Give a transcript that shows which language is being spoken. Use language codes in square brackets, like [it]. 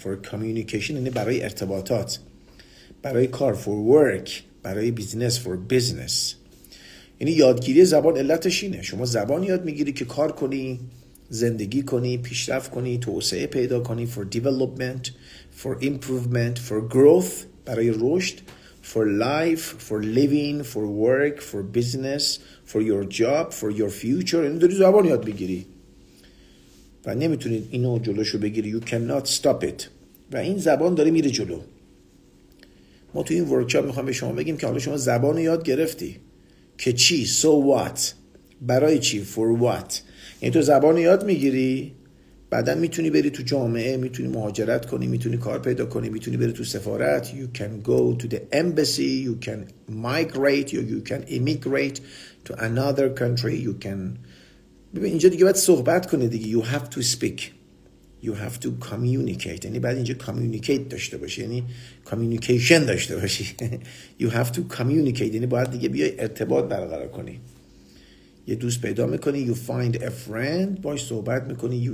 [en] For communication [fa] یعنی برای ارتباطات. برای کار. [en] For work. [fa] برای بیزنس. [en] For business. [fa] یعنی یادگیری زبان علتش اینه. شما زبان یاد میگیری که کار کنی، زندگی کنی، پیشرفت کنی، توسعه پیدا کنی. [en] For development. For improvement. For growth. [fa] برای رشد. [en] For life, for living, for work, for business, for your job, for your future. [fa] این داری زبان یاد بگیری و نمیتونید اینو جلوشو بگیری. [en] You cannot stop it. [fa] و این زبان داره میره جلو. ما تو این ورکشاپ میخوام به شما بگیم که حالا شما زبان یاد گرفتی که چی؟ [en] So what؟ [fa] برای چی؟ [en] For what؟ [fa] یعنی تو زبان یاد میگیری بعدا میتونی بری تو جامعه، میتونی مهاجرت کنی، میتونی کار پیدا کنی، میتونی بری تو سفارت. [en] You can go to the embassy, you can migrate, or you can immigrate to another country. You can [fa] ببین اینجا دیگه باید صحبت کنی دیگه. [en] You have to speak. You have to communicate. [fa] یعنی بعد اینجا communicate داشته باشی، یعنی communication داشته باشی. [en] You have to communicate. [fa] یعنی باید دیگه بیای ارتباط برقرار کنی. یه دوست پیدا میکنی. [en] You find a friend. [fa] باش صحبت میکنی.